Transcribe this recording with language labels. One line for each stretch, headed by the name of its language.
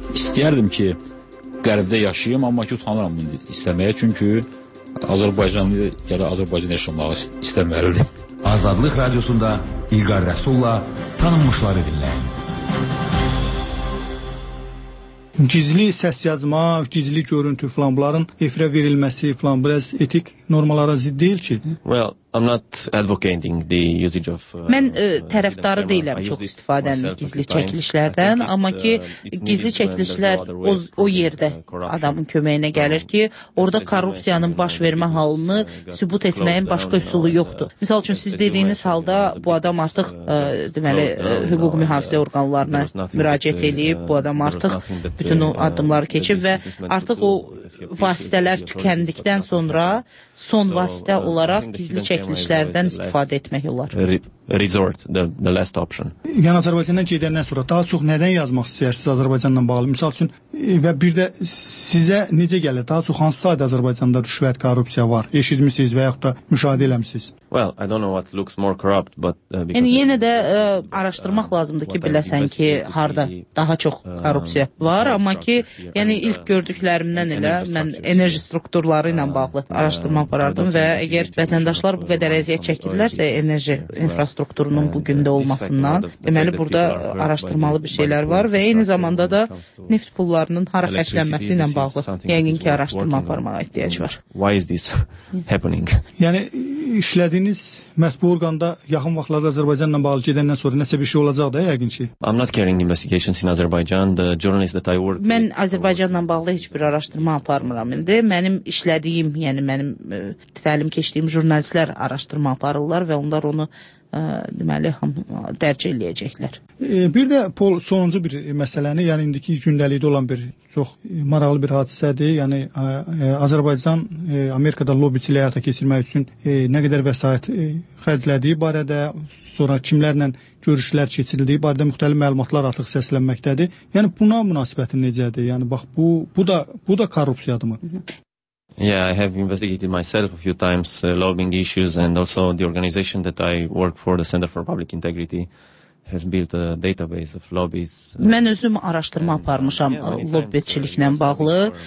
Azerbaijani: İstəyərdim ki, qərbdə yaşayım, amma ki, utanıram indi istəməyə, çünki Azərbaycanlı ya da Azərbaycan yaşamağı istəməlidir. Azadlıq radiosunda İlqar Rəsulla tanınmışları dinləyin. Gizli səs yazma, gizli görüntü filan bunların efirə verilməsi filan biraz etik normalara zidd deyil ki.
English: Well, I'm not advocating the usage of
Azerbaijani: Mən tərəfdarı deyiləm çox istifadənin gizli çəkilişlərdən, amma ki gizli çəkilişlər o yerdə adamın köməyinə gəlir ki, orada korrupsiyanın baş vermə halını sübut etməyin başqa üsulu yoxdur. Məsəl üçün siz dediyiniz halda bu adam artıq deməli hüquq mühafizə orqanlarına müraciət edib, bu adam artıq bütün o addımları keçib və artıq o vasitələr tükəndikdən sonra son vasitə olaraq gizli çəkilişlərdən istifadə etmək olar.
English: Resort, the last option.
Azerbaijani: Yəni, Azərbaycandan gedəndən sonra daha çox nədən yazmaq istəyirsiniz Azərbaycanla bağlı? Misal üçün, və bir də sizə necə gəlir? Daha çox hansı sayda Azərbaycanda rüşvət, korrupsiya var? Eşidmişsiniz və yaxud da müşahidə eləmişsiniz?
English: Well, I don't know what looks more corrupt, but...
Azerbaijani: Yəni, yenə də araşdırmaq lazımdır ki, biləsən ki, harada daha çox korrupsiya var, amma ki, yəni, ilk gördüklərimdən elə mən enerji strukturları ilə bağlı araşdırma aparardım və əgər vətəndaşlar bu qədər əziyyət çəkirlərsə, enerji infrastrukturunun bu gündə olmasından, deməli, burada araşdırmalı bir şeylər var və eyni zamanda da neft pullarının hara xərclənməsi ilə bağlı yəqin ki, araşdırma aparmağa ehtiyac var.
English: Why is this happening?
Azerbaijani: Yəni, işlədiyiniz məhbu orqanda yaxın vaxtlarda Azərbaycanla bağlı gedəndən sonra nəsə bir şey olacaq da, yəqin ki.
English: I'm not carrying investigations in Azerbaijan. The journalist that I work with...
Azerbaijani: Mən Azərbaycanla bağlı heç bir araşdırma aparmıram indi. Mənim işlədiyim, yəni mənim təlim keçdiyim jurnalistlər araşdırma aparırlar və onlar onu deməli, dərc eləyəcəklər. Bir də, Paul, sonuncu bir məsələni, yəni indiki gündəlikdə olan bir çox maraqlı bir hadisədir. Yəni, Azərbaycan Amerikada lobbiçilə həyata keçirmək üçün nə qədər vəsait xərclədiyi barədə, sonra kimlərlə görüşlər keçirildiyi barədə müxtəlif məlumatlar artıq səslənməkdədir. Yəni, buna münasibəti necədir? Yəni, bax, bu da korrupsiyadır mı?
English: Yeah, I have investigated myself a few times lobbying issues and also the organization that I work for, the Center for Public Integrity, has built a database of lobbies.
Azerbaijani: Mən özüm araşdırma aparmışam lobbyçiliklə bağlı.